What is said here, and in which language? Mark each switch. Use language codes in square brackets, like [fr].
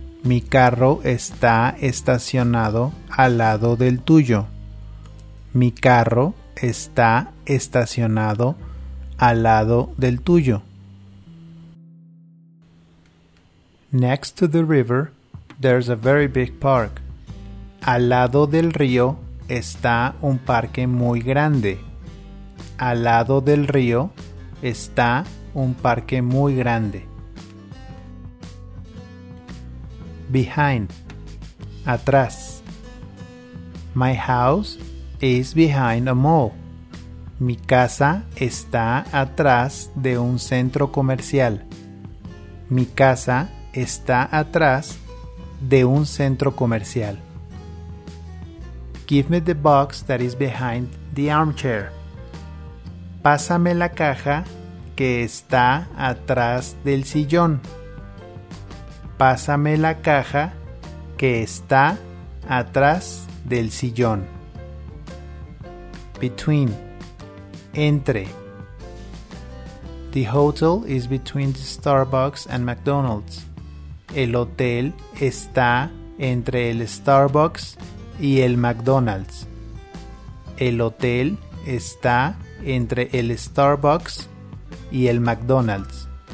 [es] Mi carro está estacionado al lado del tuyo. Mi carro está estacionado al lado del tuyo. [en] Next to the river, there's a very big park. [es] Al lado del río está un parque muy grande. Al lado del río está un parque muy grande. [en] Behind. Atrás. My house is behind a mall. [es] Mi casa está atrás de un centro comercial. Mi casa está atrás de un centro comercial. [en] Give me the box that is behind the armchair. [es] Pásame la caja que está atrás del sillón. Pásame la caja que está atrás del sillón. [en] Between. Entre. The hotel is between the Starbucks and McDonald's. [es] El hotel está entre el Starbucks y el McDonald's. El hotel está entre el Starbucks y el McDonald's.